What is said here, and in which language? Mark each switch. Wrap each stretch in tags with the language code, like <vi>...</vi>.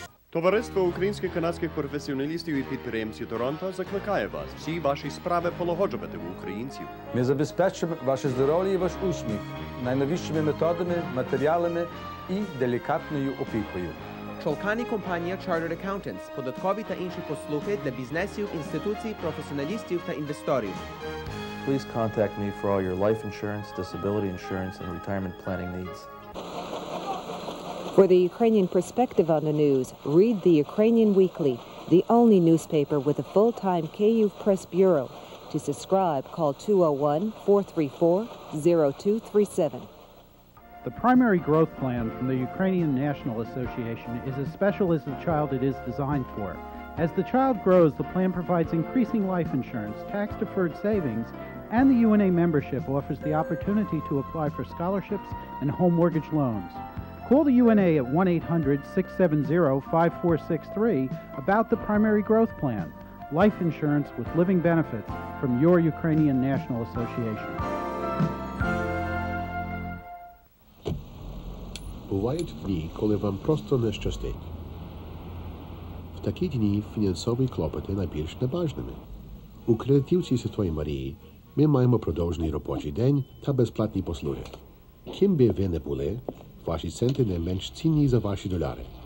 <uk>Товариство українсько-канадських професіоналістів і підприємців Торонто закликає вас всі ваші справи полагоджувати у українців. Ми забезпечимо ваше здоров'я і ваш усміх найновішими методами, матеріалами і делікатною опікою. Чолкані компанія Chartered Accountants, податкові та інші послуги для бізнесів, інституцій, професіоналістів та інвесторів.</uk> <en>Please contact me for all your life insurance, disability insurance and retirement planning needs. For the Ukrainian perspective on the news, read the Ukrainian Weekly, the only newspaper with a full-time KU Press Bureau. To subscribe, call 201-434-0237. The primary growth plan from the Ukrainian National Association is as special as the child it is designed for. As the child grows, the plan provides increasing life insurance, tax-deferred savings, and the UNA membership offers the opportunity to apply for scholarships and home mortgage loans. Call the UNA at 1-800-670-5463 about the primary growth plan, life insurance with living benefits from your Ukrainian National Association.</en> <uk>Бувають дні, коли вам просто не щастить. В такі дні фінансові клопоти найбільш небажними. У кредитівці Святої Марії ми маємо продовжений робочий день та безплатні послуги. Ким би ви не були, ваші центи не менш цінні за ваші доляри.</uk>